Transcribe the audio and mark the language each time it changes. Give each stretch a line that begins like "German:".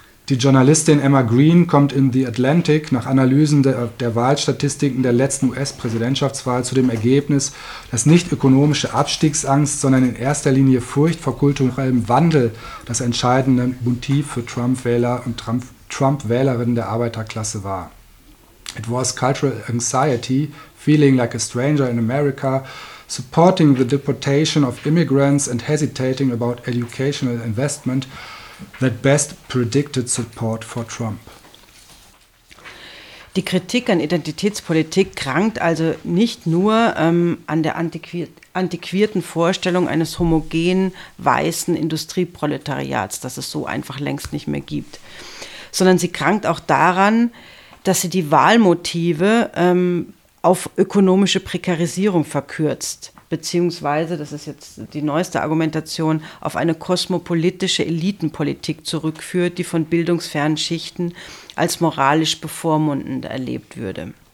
German: Die Journalistin Emma Green kommt in The Atlantic nach Analysen der Wahlstatistiken der letzten US-Präsidentschaftswahl zu dem Ergebnis, dass nicht ökonomische Abstiegsangst, sondern in erster Linie Furcht vor kulturellem Wandel das entscheidende Motiv für Trump-Wähler und Trump-Wählerinnen der Arbeiterklasse war.
English: It was cultural anxiety, feeling like a stranger in America, supporting the deportation of immigrants and hesitating about educational investment, that best predicted support for Trump.
German: Die Kritik an Identitätspolitik krankt also nicht nur an der antiquierten Vorstellung eines homogenen weißen Industrieproletariats, das es so einfach längst nicht mehr gibt, sondern sie krankt auch daran, dass sie die Wahlmotive auf ökonomische Prekarisierung verkürzt, beziehungsweise, das ist jetzt die neueste Argumentation, auf eine kosmopolitische Elitenpolitik zurückführt, die von bildungsfernen Schichten als moralisch bevormundend erlebt würde.